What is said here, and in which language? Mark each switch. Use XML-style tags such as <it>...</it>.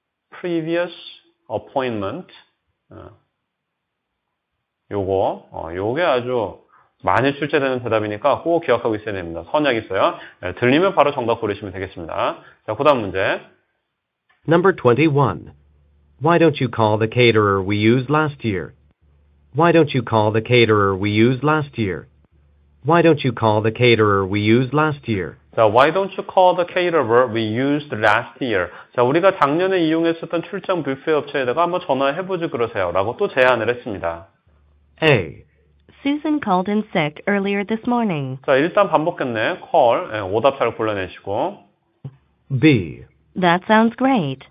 <en>Previous appointment.</en> <ko>요거. 요게 아주 많이 출제되는 대답이니까 꼭 기억하고 있어야 됩니다. 선약 있어요? 들리면 바로 정답 고르시면 되겠습니다. 자, 그 다음 문제.</ko> <en>Number 21. Why don't you call the caterer we used last year? Why don't you call the caterer we used last year? Why don't you call the caterer we used last year? 자, why don't you call the caterer we used last year?</en> <ko>자, 우리가 작년에 이용했었던 출장 뷔페 업체에다가 한번 전화해보지 그러세요. 라고 또 제안을 했습니다.</ko> <en>A. Susan called in sick earlier this morning.</en> <ko>자, 일단 반복했네. call. 오답 잘 골라내시고.</ko> <en>B. That sounds great.</en>